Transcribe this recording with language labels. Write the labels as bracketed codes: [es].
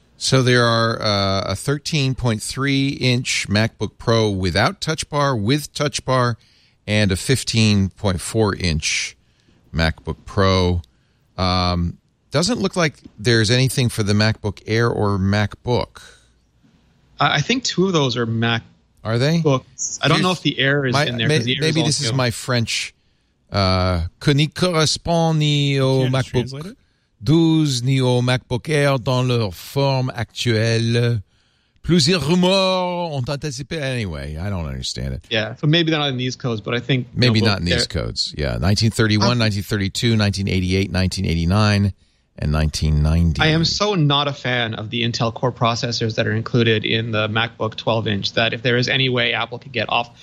[en] So there are a 13.3-inch MacBook Pro without touch bar, with touch bar, and a 15.4-inch MacBook Pro. Doesn't look like there's anything for the MacBook Air or MacBook. I think two of those are Mac. Are they? Books. I don't know if the Air is in there. Maybe this is my French. [fr] Que ne correspond ni au MacBook 12 ni au MacBook Air dans leur forme actuelle. Plusieurs rumeurs ont anticipé. [en] Anyway, I don't understand it. Yeah, so maybe they're not in these codes, but I think. Maybe not in these codes. Yeah, 1931, 1932, 1988, 1989, and 1990. I am so not a fan of the Intel Core processors that are included in the MacBook 12-inch that if there is any way Apple could get off.